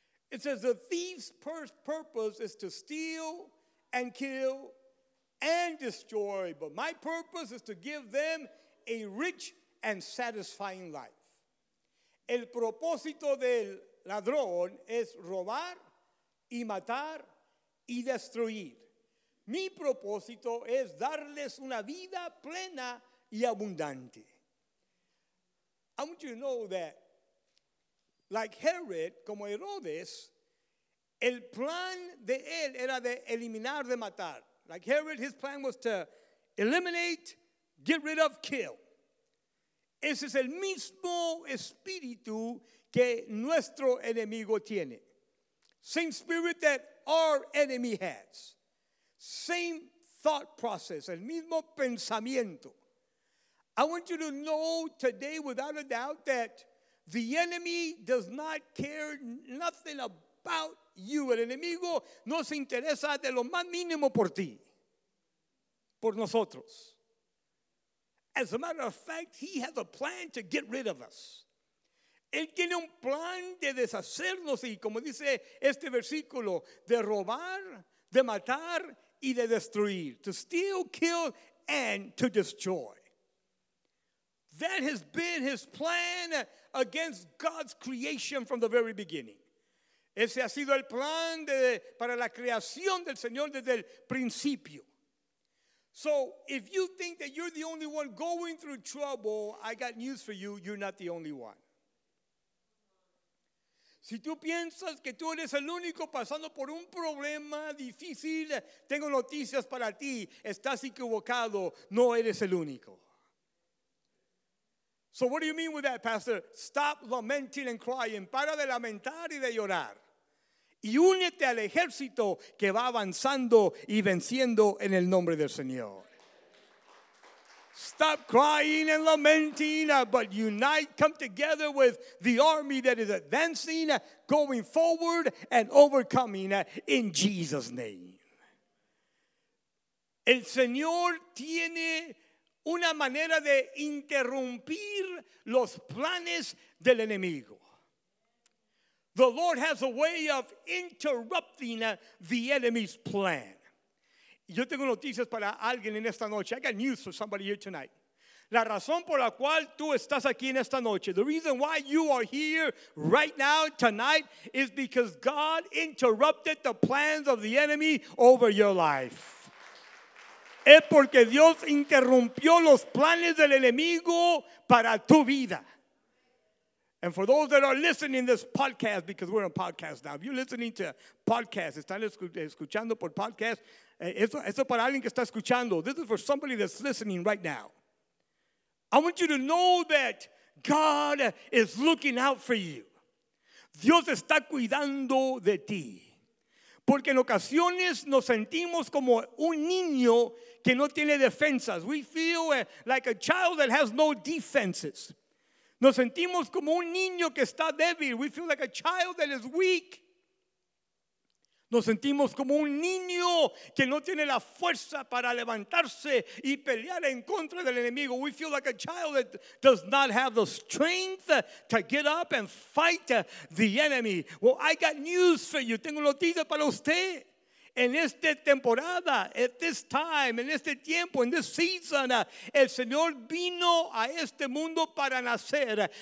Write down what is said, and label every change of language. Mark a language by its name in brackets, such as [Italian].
[English] It says, the thief's purpose is to steal and kill and destroy, but my purpose is to give them a rich and satisfying life. [Spanish] El propósito del ladrón es robar y matar y destruir. Mi propósito es darles una vida plena y abundante. [English] I want you to know that, like Herod, [Spanish] como Herodes, el plan de él era de eliminar, de matar. [English] Like Herod, his plan was to eliminate, get rid of, kill. [Spanish] Ese es el mismo espíritu que nuestro enemigo tiene. [English] Same spirit that our enemy has. Same thought process, [Spanish] el mismo pensamiento. [English] I want you to know today without a doubt that the enemy does not care nothing about you. [Spanish] El enemigo no se interesa de lo más mínimo por ti, por nosotros. [English] As a matter of fact, he has a plan to get rid of us. [Spanish] Él tiene un plan de deshacernos y como dice este versículo, de robar, de matar y de destruir. [English] To steal, kill, and to destroy. That has been his plan against God's creation from the very beginning. [Spanish] Ese ha sido el plan para la creación del Señor desde el principio. [English] So if you think that you're the only one going through trouble, I got news for you, you're not the only one. [Spanish] Si tú piensas que tú eres el único pasando por un problema difícil, tengo noticias para ti, estás equivocado, no eres el único. [English] So what do you mean with that, Pastor? Stop lamenting and crying. [Spanish] Para de lamentar y de llorar. Y únete al ejército que va avanzando y venciendo en el nombre del Señor. [English] Stop crying and lamenting, but unite, come together with the army that is advancing, going forward and overcoming in Jesus' name. [Spanish] El Señor tiene una manera de interrumpir los planes del enemigo. [English] The Lord has a way of interrupting the enemy's plan. [Spanish] Yo tengo noticias para alguien en esta noche. [English] I got news for somebody here tonight. [Spanish] La razón por la cual tú estás aquí en esta noche, [English] the reason why you are here right now tonight is because God interrupted the plans of the enemy over your life. [Spanish] Es porque Dios interrumpió los planes del enemigo para tu vida. [English] And for those that are listening to this podcast, because we're on podcast now, if you're listening to podcasts, [Spanish] están escuchando por podcast, eso para alguien que está escuchando. [English] This is for somebody that's listening right now. I want you to know that God is looking out for you. [Spanish] Dios está cuidando de ti. Porque en ocasiones nos sentimos como un niño que no tiene defensas. [English] We feel like a child that has no defenses. [Spanish] Nos sentimos como un niño que está débil. [English] We feel like a child that is weak. [Spanish] Nos sentimos como un niño que no tiene la fuerza para levantarse y pelear en contra del enemigo. [English] We feel like a child that does not have the strength to get up and fight the enemy. Well, I got news for you. [Spanish] Tengo noticias para usted. En esta temporada, [English] at this time, [Spanish] en este tiempo, [English] in this season, [Spanish] el Señor vino a este mundo para nacer.